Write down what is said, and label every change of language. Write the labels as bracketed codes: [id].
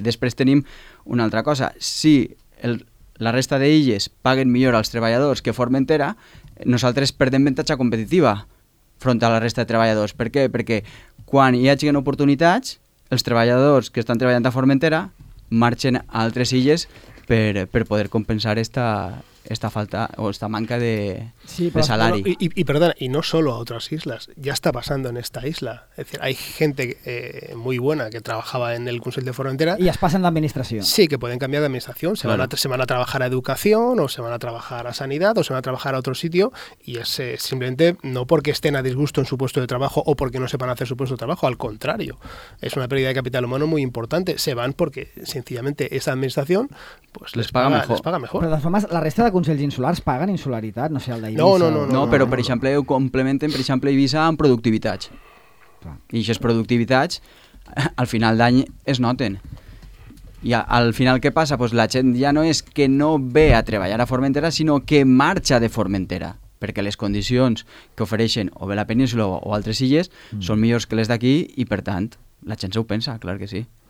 [ca] Després tenim una altra cosa. Si la resta d'illes paguen millor als treballadors que Formentera, nosaltres perdem avantatge competitiva front a la resta de treballadors. Per què? Perquè quan hi hagin oportunitats, els treballadors que estan treballant a Formentera marxen a altres illes per poder compensar [es] esta falta o esta manca de, sí, de salario. Bueno, y perdona, y no solo a otras islas, ya está pasando en esta isla. Es decir, hay gente muy buena que trabajaba en el Consell de Formentera. Y las pasan de administración. Sí, que pueden cambiar de administración. Se, claro, se van a trabajar a educación, o se van a trabajar a sanidad, o se van a trabajar a otro sitio. Y es simplemente no porque estén a disgusto en su puesto de trabajo o porque no sepan hacer su puesto de trabajo, al contrario. Es una pérdida de capital humano muy importante. Se van porque sencillamente esa administración pues les paga mejor. Pero de formas, [ca] la resta de consells insulars paguen insularitat, no sé, el d'Eivissa. No, però per exemple ho complementen, per exemple, Eivissa amb productivitats. I aquestes productivitats al final d'any es noten. I al final què passa? Pues la gent ja no és que no ve a treballar a Formentera, sinó que marxa de Formentera, perquè les condicions que ofereixen o bé la península o altres illes són millors que les d'aquí i, per tant, la gent s'ho pensa, clar que sí.